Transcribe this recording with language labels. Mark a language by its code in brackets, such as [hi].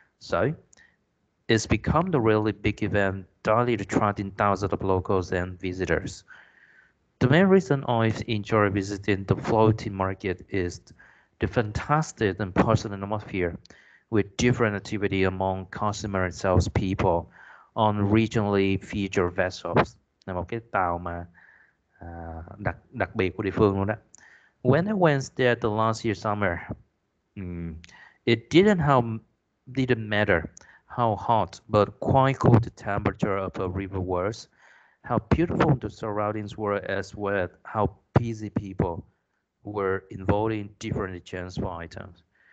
[en] So, it's become the really big event, daily attracting thousands of locals and visitors. The main reason I enjoy visiting the floating market is the fantastic and personal atmosphere, with different activity among customers and salespeople on regionally featured vessels. [vi] Là một cái tàu mà đặc biệt của địa phương luôn đó. [en] When I went there the last year summer, it didn't matter how hot but quite cool the temperature of the river was, how beautiful the surroundings were, as well as how busy people were involved in different chance for items.